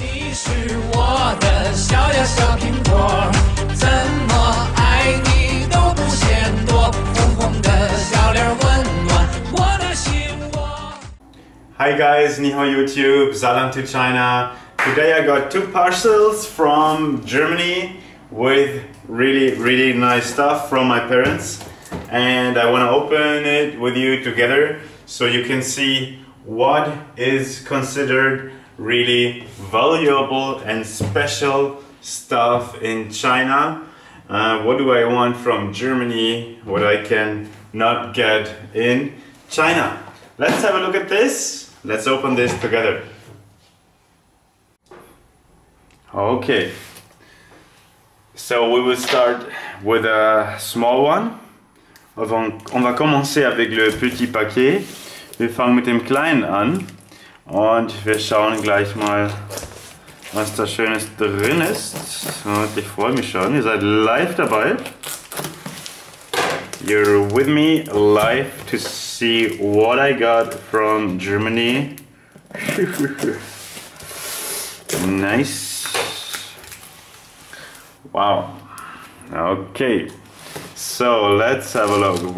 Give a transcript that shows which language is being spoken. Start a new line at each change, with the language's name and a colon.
Chinese: 是我的小呀小苹果，怎么爱你都不嫌多，红红的小脸温暖我的心窝。
English: Hi guys,
Chinese: 你好
English: YouTube, Salam to China. Today I got two parcels from Germany with really, really nice stuff from my parents, and I want to open it with you together so you can see what is considered really valuable and special stuff in China. What do I want from Germany, what I can not get in China? Let's have a look at this. Let's open this together. Okay. So we will start with a small one.
French: On va commencer avec le petit paquet.
German: Wir fangen mit dem kleinen an. Und wir schauen gleich mal, was da Schönes drin ist. Und ich freue mich schon. Ihr seid live dabei.
English: You're with me live to see what I got from Germany. Nice. Wow, okay, so let's have a look.